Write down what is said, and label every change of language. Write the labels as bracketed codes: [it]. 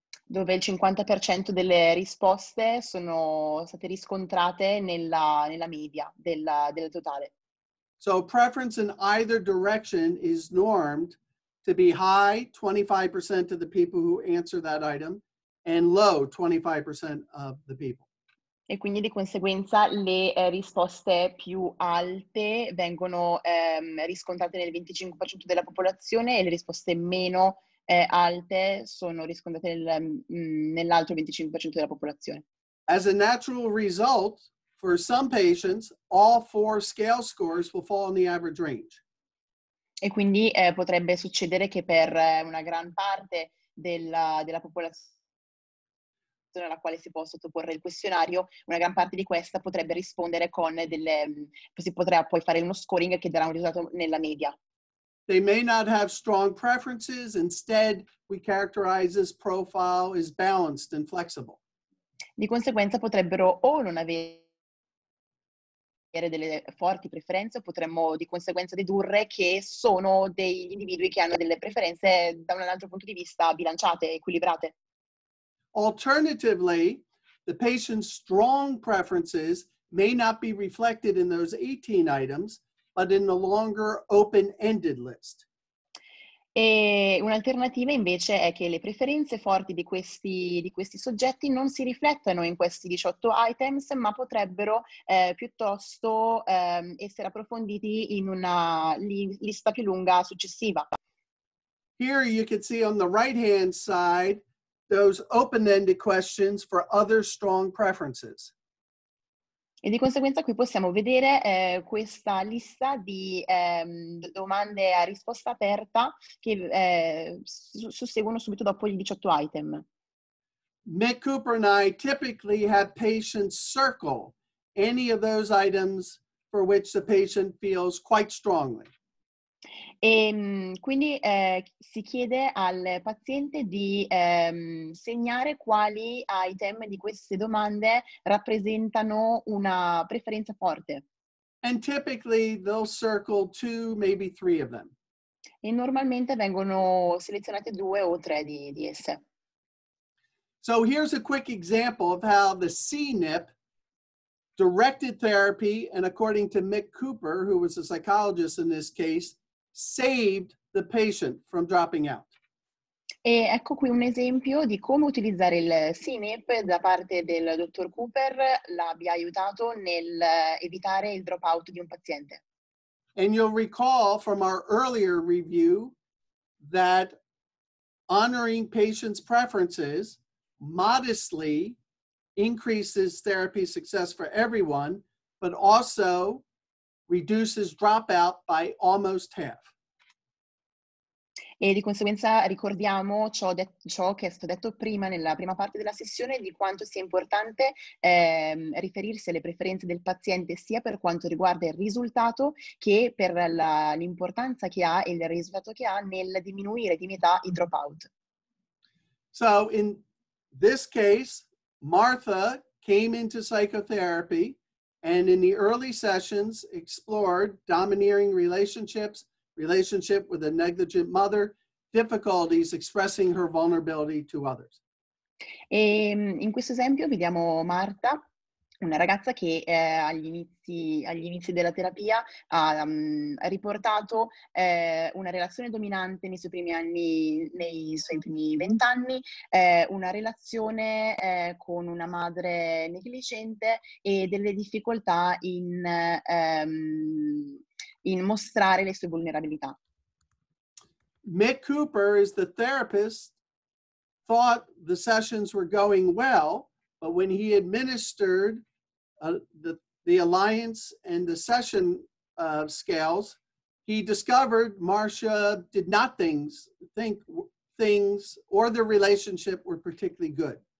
[it] Dove il 50% delle risposte sono state riscontrate nella media del totale. [en] So preference in either direction is normed to be high, 25% of the people who answer that item, and low, 25% of the people. [it] E quindi di conseguenza le risposte più alte vengono riscontrate nel 25% della popolazione e le risposte meno alte sono riscontrate nell'altro 25% della popolazione. [en] As a natural result, for some patients, all 4 scale scores will fall in the average range. [it] E quindi potrebbe succedere che per una gran parte della popolazione alla quale si può sottoporre il questionario, una gran parte di questa potrebbe rispondere con si potrà poi fare uno scoring che darà un risultato nella media. [en] They may not have strong preferences, instead we characterize this profile as balanced and flexible. [it] Di conseguenza potrebbero o non avere delle forti preferenze, potremmo di conseguenza dedurre che sono degli individui che hanno delle preferenze da un altro punto di vista bilanciate, equilibrate. [en] Alternatively, the patient's strong preferences may not be reflected in those 18 items, but in the longer open-ended list. [it] E un'alternativa invece è che le preferenze forti di questi soggetti non si riflettano in questi 18 items, ma potrebbero piuttosto essere approfonditi in una lista più lunga successiva. [en] Here you can see on the right-hand side those open-ended questions for other strong preferences. [it] E di conseguenza qui possiamo vedere questa lista di domande a risposta aperta che susseguono subito dopo gli 18 item. [en] Mick Cooper and I typically have patients circle any of those items for which the patient feels quite strongly. [it] E quindi si chiede al paziente di segnare quali item di queste domande rappresentano una preferenza forte. [en] And typically they'll circle two, maybe three of them. [it] E normalmente vengono selezionate due o tre di esse. [en] So here's a quick example of how the CNIP, directed therapy, and according to Mick Cooper, who was a psychologist in this case, saved the patient from dropping out. [it] E ecco qui un esempio di come utilizzare il CNIP da parte del dottor Cooper l'abbia aiutato nel evitare il drop out di un paziente. [en] And you'll recall from our earlier review that honoring patients' preferences modestly increases therapy success for everyone, but also reduces dropout by almost half. [it] E di conseguenza ricordiamo ciò che è stato detto prima nella prima parte della sessione di quanto sia importante riferirsi alle preferenze del paziente sia per quanto riguarda il risultato che per l'importanza che ha e il risultato che ha nel diminuire di metà i dropout. [en] So in this case, Martha came into psychotherapy and in the early sessions explored domineering relationships, relationship with a negligent mother, difficulties expressing her vulnerability to others. [it] E in questo esempio vediamo Marta, una ragazza che agli inizi della terapia ha riportato una relazione dominante nei suoi primi anni, nei suoi primi vent'anni, una relazione con una madre negligente e delle difficoltà in mostrare le sue vulnerabilità. [en] Mick Cooper is the therapist, thought the sessions were going well, but when he administered the alliance and the session scales, he discovered Marcia did not think things or their relationship were particularly good.